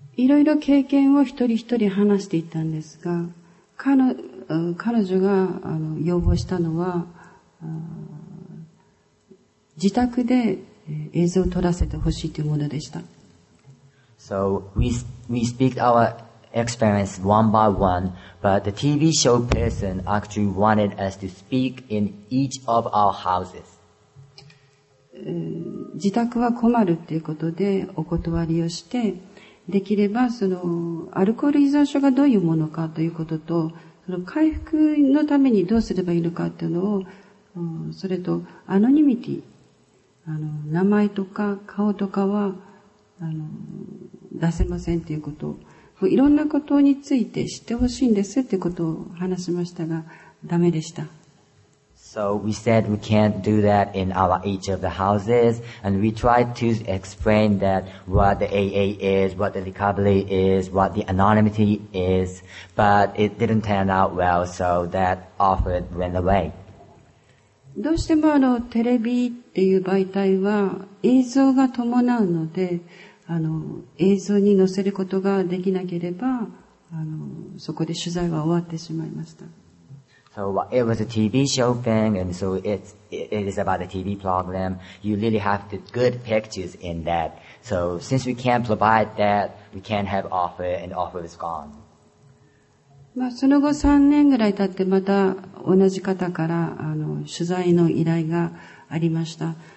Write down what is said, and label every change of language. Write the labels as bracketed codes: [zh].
[ja] いろいろ経験を一人一人話していたんですが、彼女が要望したのは、自宅で映像を撮らせてほしいというものでした。 [en] So we speak our experience one by one, but the TV show person actually wanted us to speak in each of our houses. [ja] 自宅は困るということでお断りをして、できればそのアルコール依存症がどういうものかということと、その回復のためにどうすればいいのかというのを、それとアノニミティ、名前とか顔とかは、出せませんということを、いろんなことについて知ってほしいんですということを話しましたが、ダメでした。 [en] So we said we can't do that in our each of the houses, and we tried to explain that what the AA is, what the recovery is, what the anonymity is, but it didn't turn out well, so that offer went away. [ja] どうしてもテレビっていう媒体は映像が伴うので、映像に載せることができなければ、そこで取材は終わってしまいました。 [en] So it was a TV show thing, and so it is about a TV program. You really have the good pictures in that. So since we can't provide that, we can't have offer, and offer is gone. [ja] まあ、その後3年ぐらい経ってまた同じ方から取材の依頼がありました。